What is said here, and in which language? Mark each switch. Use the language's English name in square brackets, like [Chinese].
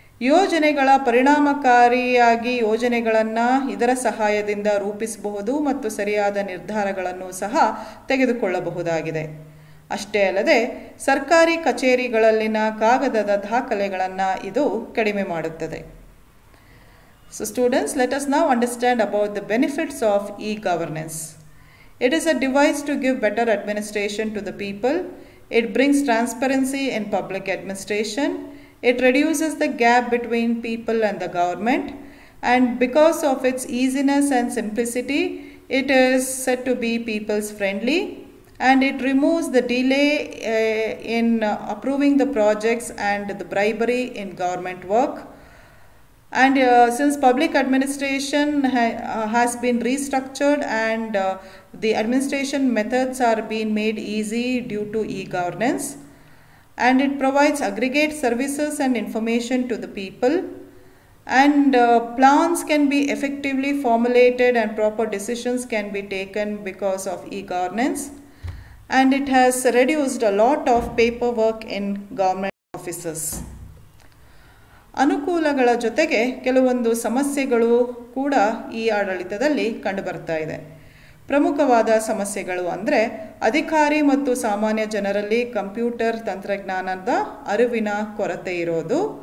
[Kannada] ಯೋಜನೆಗಳ ಪರಿಣಾಮಕಾರಿಯಾಗಿ ಯೋಜನೆಗಳನ್ನು ಇದರ ಸಹಾಯದಿಂದ ರೂಪಿಸಬಹುದು ಮತ್ತು ಸರಿಯಾದ ನಿರ್ಧಾರಗಳನ್ನು ಸಹ ತೆಗೆದುಕೊಳ್ಳಬಹುದಾಗಿದೆ. ಅಷ್ಟೇ ಅಲ್ಲದೆ ಸರ್ಕಾರಿ ಕಚೇರಿಗಳಲ್ಲಿನ ಕಾಗದದ ದಾಖಲೆಗಳನ್ನು ಇದು ಕಡಿಮೆ ಮಾಡುತ್ತದೆ. [English] So students, let us now understand about the benefits of e governance. It is a device to give better administration to the people. It brings transparency in public administration. It reduces the gap between people and the government. And because of its easiness and simplicity, it is said to be people's friendly. And it removes the delay in approving the projects and the bribery in government work. And since public administration has been restructured and the administration methods are being made easy due to e-governance, and it provides aggregate services and information to the people, and plans can be effectively formulated and proper decisions can be taken because of e-governance, and it has reduced a lot of paperwork in government offices. [Kannada] ಅನುಕೂಲಗಳ ಜೊತೆಗೆ ಕೆಲವೊಂದು ಸಮಸ್ಯೆಗಳು ಕೂಡ ಈ ಆಡಳಿತದಲ್ಲಿ ಕಂಡುಬರ್ತಾ ಇದೆ. ಪ್ರಮುಖವಾದ ಸಮಸ್ಯೆಗಳು ಅಂದರೆ ಅಧಿಕಾರಿ ಮತ್ತು ಸಾಮಾನ್ಯ ಜನರಲ್ಲಿ ಕಂಪ್ಯೂಟರ್ ತಂತ್ರಜ್ಞಾನದ ಅರಿವಿನ ಕೊರತೆ ಇರೋದು,